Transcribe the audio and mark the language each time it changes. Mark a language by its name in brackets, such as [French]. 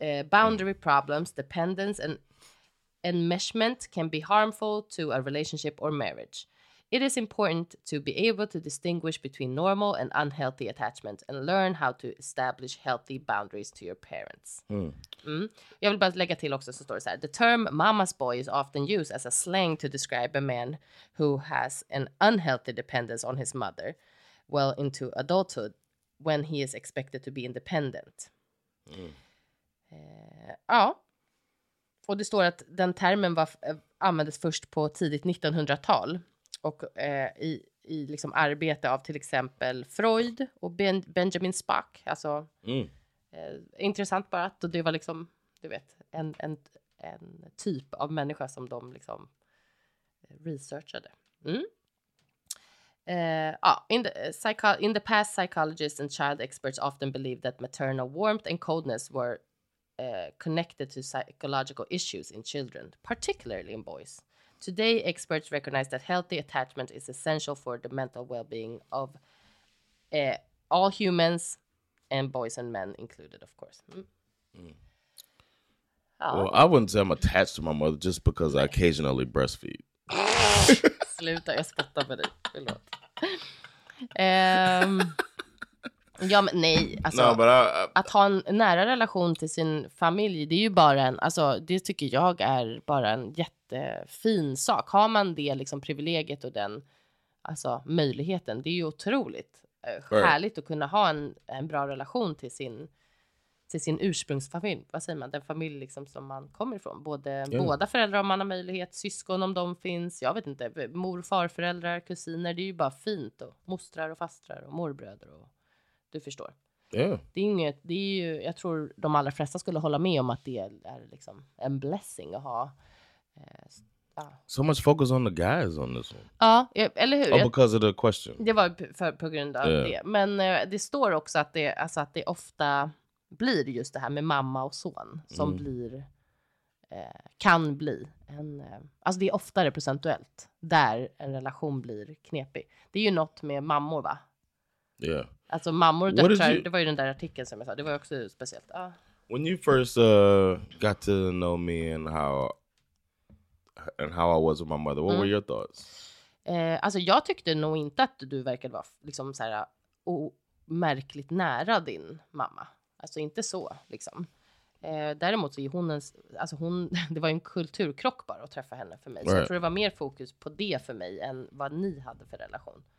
[English] Boundary problems, dependence, and enmeshment can be harmful to a relationship or marriage. It is important to be able to distinguish between normal and unhealthy attachment and learn how to establish healthy boundaries to your parents. Mm. Mm. [Swedish] Jag vill bara lägga till också så står det så här. [English] The term mama's boy is often used as a slang to describe a man who has an unhealthy dependence on his mother well into adulthood when he is expected to be independent. Mm. [Swedish] Ja. Och det står att den termen användes först på tidigt 1900-tal. Och i liksom arbete av till exempel Freud och Benjamin Spock. Alltså, intressant bara att det var liksom, du vet, en typ av människa som de liksom researchade. Mm. [English] In the past, psychologists and child experts often believed that maternal warmth and coldness were connected to psychological issues in children, particularly in boys. Today, experts recognize that healthy attachment is essential for the mental well-being of all humans, and boys and men included, of course. Mm. Well, I wouldn't say I'm attached to my mother just because I occasionally breastfeed. [Swedish] Sluta, jag spottar med dig. Förlåt. Ja, men nej. Alltså, [English] no, but [Swedish] att ha en nära relation till sin familj, det är ju bara en, alltså, det tycker jag är bara en jättefin sak. Har man det liksom privilegiet och den, alltså, möjligheten, det är ju otroligt härligt att kunna ha en bra relation till sin ursprungsfamilj. Vad säger man? Den familj liksom som man kommer ifrån. Båda föräldrar om man har möjlighet, syskon om de finns, jag vet inte, mor, farföräldrar, kusiner, det är ju bara fint. Och mostrar och fastrar och morbröder och du förstår. [English] Yeah. [Swedish] Det är inget, det är ju, jag tror de allra flesta skulle hålla med om att det är liksom en blessing att ha. [English] So much focus on the guys on this one. [Swedish] Ja, eller hur? [English] Oh, because of the question. [Swedish] Det var på grund av det. Men det står också att det, alltså, att det ofta blir just det här med mamma och son som kan bli en, alltså det är oftare procentuellt där en relation blir knepig. Det är ju något med mammor, va? Ja. Yeah. Alltså mammor och döttrar, det var ju den där artikeln som jag sa. Det var också speciellt. Ah. [English] When you first got to know me and how I was with my mother, what were your thoughts? [Swedish] Alltså jag tyckte nog inte att du verkade vara liksom så här märkligt nära din mamma. Alltså inte så liksom. Däremot så är hon det var ju en kulturkrock bara att träffa henne för mig. Right. Så jag tror det var mer fokus på det för mig än vad ni hade för relation.